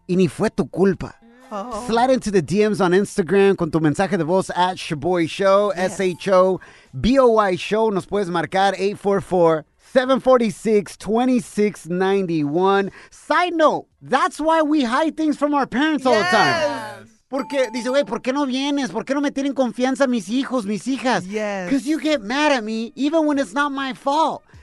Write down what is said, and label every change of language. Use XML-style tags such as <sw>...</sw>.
<es>Y ni fue tu culpa.</es> <en>Oh. Slide into the DMs on Instagram</en> <es>con tu mensaje de voz</es> <en>at Shaboy Show, S-H-O-B-O-Y Show.</en> <es>Nos puedes marcar 844-746-2691.</es> <en>Side note, that's why we hide things from our parents all the time. Yes.</en> <es>Porque dice, güey, ¿por qué no vienes? ¿Por qué no me tienen confianza mis hijos, mis hijas?</es> <en>Yes. Because you get mad at me even when it's not my fault.</en>